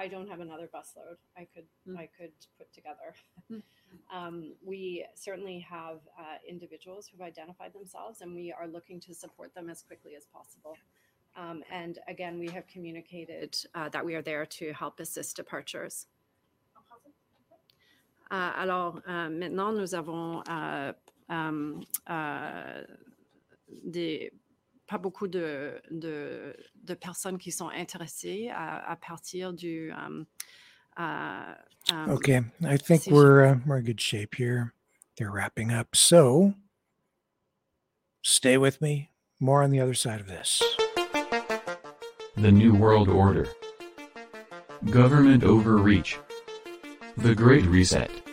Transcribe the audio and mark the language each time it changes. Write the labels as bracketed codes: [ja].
[en] I don't have another busload I could I could put together. We certainly have individuals who've identified themselves, and we are looking to support them as quickly as possible. And again, we have communicated that we are there to help assist departures. [fr] Maintenant nous avons pas beaucoup de personnes qui sont intéressées à partir du [en] Okay, I think we're in good shape here. They're wrapping up. So stay with me. More on the other side of this. The New World Order. Government overreach. The Great Reset.